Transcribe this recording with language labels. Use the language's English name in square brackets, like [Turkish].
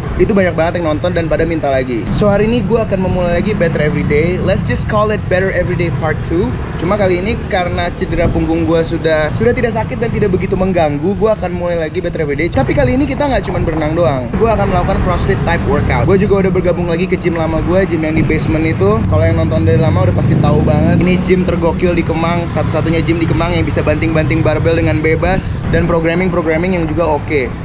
[Indonesian] Itu banyak banget yang nonton dan pada minta lagi. So hari ini gue akan memulai lagi Better Every Day. [English] Let's just call it Better Every Day Part 2. [Indonesian] Cuma kali ini karena cedera punggung gue sudah tidak sakit dan tidak begitu mengganggu, gue akan mulai lagi Better Every Day. Tapi kali ini kita nggak cuma berenang doang. Gue akan melakukan CrossFit type workout. Gue juga udah bergabung lagi ke gym lama gue, gym yang di basement itu. Kalau yang nonton dari lama udah pasti tahu banget. Ini gym tergokil di Kemang, satu-satunya gym di Kemang yang bisa banting-banting barbel dengan bebas dan programming yang juga oke.